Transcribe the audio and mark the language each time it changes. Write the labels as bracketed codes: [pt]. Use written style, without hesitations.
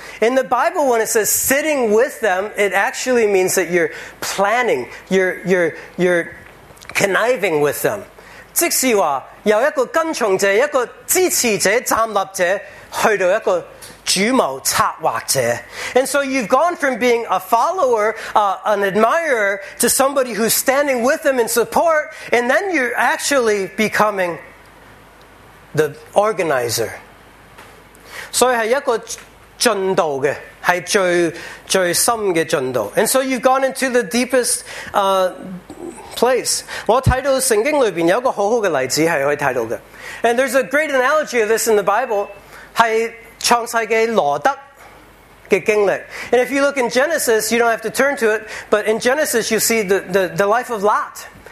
[en] In the Bible, when it says sitting with them, it actually means that you're planning, you're conniving with them. [zh] 即是说，有一个跟从者，一个支持者，站立者，去到一个主谋策划者。 [en] And so you've gone from being a follower, an admirer, to somebody who's standing with them in support, and then you're actually becoming the organizer. [zh] 所以是一个进度的，是最深的进度。 [en] And so you've gone into the deepest place. [zh] 我看到圣经里面有一个很好的例子是可以看到的。 [en] And there's a great analogy of this in the Bible. [zh] 是创世纪罗德的经历。 [en] And if you look in Genesis, you don't have to turn to it, but in Genesis you see the life of Lot.